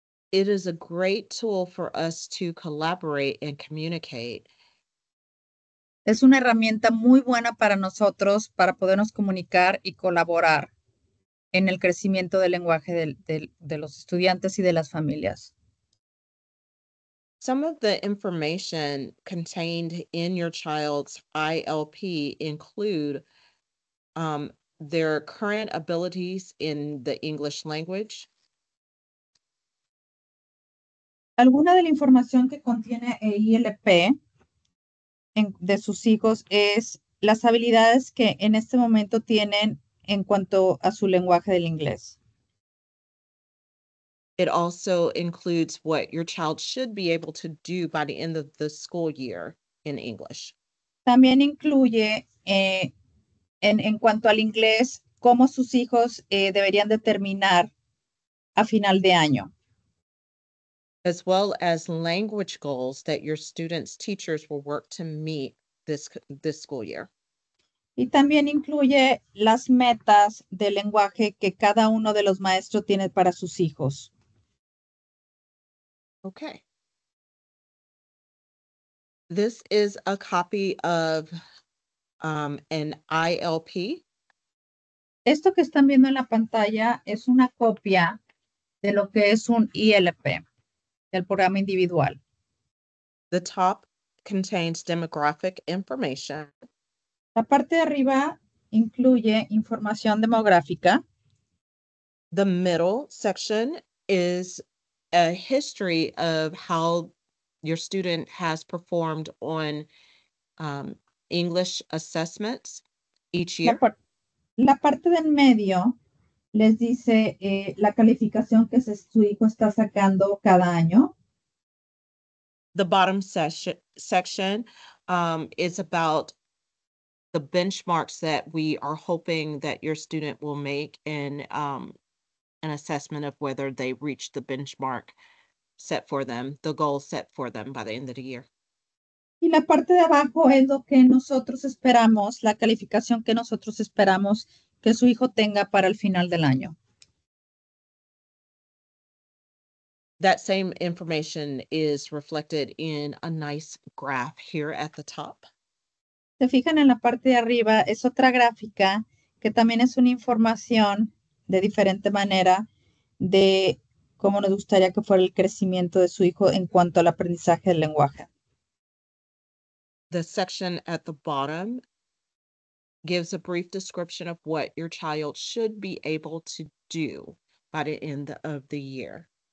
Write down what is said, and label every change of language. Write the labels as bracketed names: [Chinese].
[English] It is a great tool for us to collaborate and communicate. [Spanish] Es una herramienta muy buena para nosotros para podernos comunicar y colaborar en el crecimiento del lenguaje de los estudiantes y de las familias. [English] Some of the information contained in your child's ILP include their current abilities in the English language. [Spanish] Alguna de la información que contiene el ILP de sus hijos es las habilidades que en este momento tienen en cuanto a su lenguaje del inglés. [English] It also includes what your child should be able to do by the end of the school year in English. [Spanish] También incluye en cuanto al inglés, cómo sus hijos deberían de terminar a final de año. [English] As well as language goals that your students' teachers will work to meet this school year. [Spanish] Y también incluye las metas de lenguaje que cada uno de los maestros tiene para sus hijos. [English] Okay. This is a copy of an ILP. [Spanish] Esto que están viendo en la pantalla es una copia de lo que es un ILP, del programa individual. [English] The top contains demographic information. [Spanish] La parte de arriba incluye información demográfica. [English] The middle section is a history of how your student has performed on English assessments each year. [Spanish] La parte del medio les dice la calificación que su hijo está sacando cada año. [English] The bottom section is about the benchmarks that we are hoping that your student will make in an assessment of whether they reach the benchmark set for them, the goal set for them by the end of the year. [Spanish] Y la parte de abajo es lo que nosotros esperamos, la calificación que nosotros esperamos que su hijo tenga para el final del año. [English] That same information is reflected in a nice graph here at the top. [Spanish] Se fijan en la parte de arriba, es otra gráfica que también es una información de diferente manera de cómo nos gustaría que fuera el crecimiento de su hijo en cuanto al aprendizaje del lenguaje. [English] The section at the bottom gives a brief description of what your child should be able to do by the end of the year.